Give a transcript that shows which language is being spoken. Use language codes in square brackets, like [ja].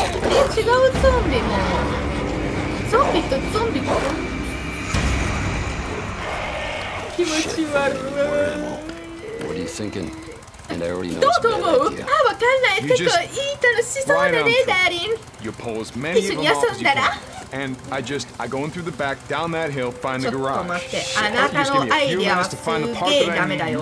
[ja] え、違うゾンビも。ゾンビとゾンビか。気持ち悪い。 [en] What are you thinking? And I already know. [ja] どうと思う？あ、わかんない。結構いい楽しそうだね、ダーリン。 [en] You pull as many of them off as you can. And I go in through the back, down that hill, find the garage. [ja] ちょっと待って。あなたのアイディアはすげえダメだよ。